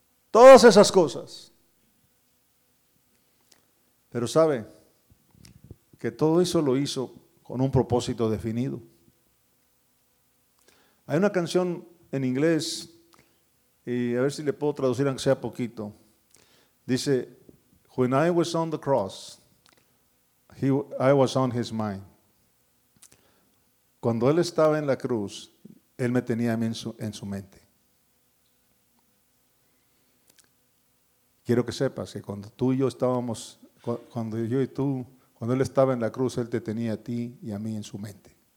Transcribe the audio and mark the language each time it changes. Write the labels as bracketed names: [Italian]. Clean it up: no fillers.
[Spanish] Todas esas cosas. Pero sabe que todo eso lo hizo con un propósito definido. Hay una canción en inglés, y a ver si le puedo traducir aunque sea poquito. Dice, [English] when I was on the cross, I was on his mind. [Spanish] Cuando él estaba en la cruz, él me tenía a mí en su mente. Quiero que sepas que cuando tú y yo estábamos, cuando yo y tú, cuando él estaba en la cruz, él te tenía a ti y a mí en su mente.